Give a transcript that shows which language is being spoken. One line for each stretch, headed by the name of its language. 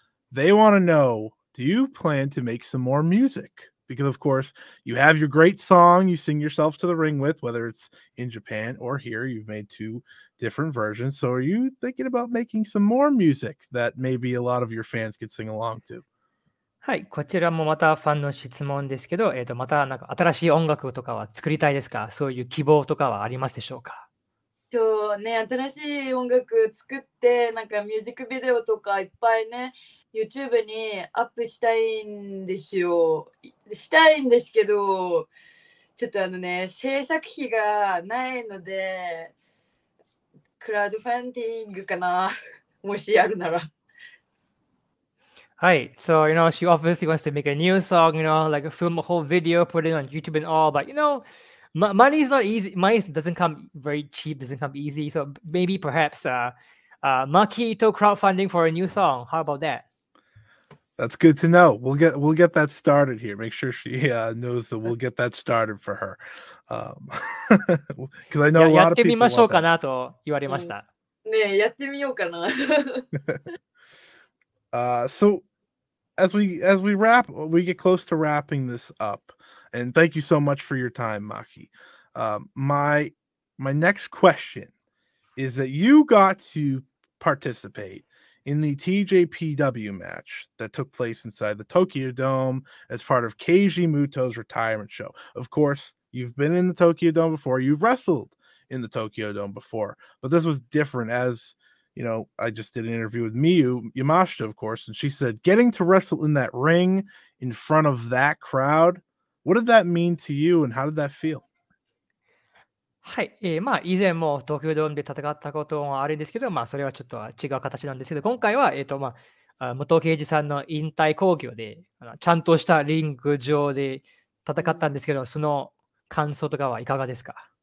English: They want to know, do you plan to make some more music? Because, of course, you have your great song you sing yourself to the ring with, whether it's in Japan or here. You've made two different versions. So are you thinking about making some more music that maybe a lot of your fans could sing along to?
Japanese: はい、こちらもまたファンの質問ですけど、またなんか新しい音楽とかは作りたいですか？そういう希望とかはありますでしょうか？そうね、新しい音楽作って、なんかミュージックビデオとかいっぱいね、YouTube にアップしたいんですよ。したいんですけど、ちょっとあのね、制作費がないので、クラウドファンディングかな、もしやるなら。
English: はい、so, you know, she obviously wants to make a new song, you know, like film a whole video, put it on YouTube and all, but you know,Money is not easy. Money doesn't come very cheap. Doesn't come easy. So maybe perhaps Maki Itoh crowdfunding for a new song. How about that? That's good to know. We'll get that started here. Make sure she knows that we'll get that started for her. Because I know a lot of people.
Japanese: やってみましょうかなと言われました。ねえ、やってみようかな。
English: So as we wrap, we get close to wrapping this up. And thank you so much for your time, Maki. My next question is that you got to participate in the TJPW match that took place inside the Tokyo Dome as part of Keiji Muto's retirement show. Of course, you've been in the Tokyo Dome before. You've wrestled in the Tokyo Dome before. But this was different, as, you know, I just did an interview with Miyu, Yamashita, of course, and she said, getting to wrestle in that ring in front of that crowd, what did that mean to you and how did that feel?
Japanese: はい、まあ以前も東京ドームで戦ったこともあるんですけど、まあそれはちょっとは違う形なんですけど、今回はまあ武藤敬司さんの引退興行でちゃんとしたリング上で戦ったんですけど、その感想とかはいかがですか？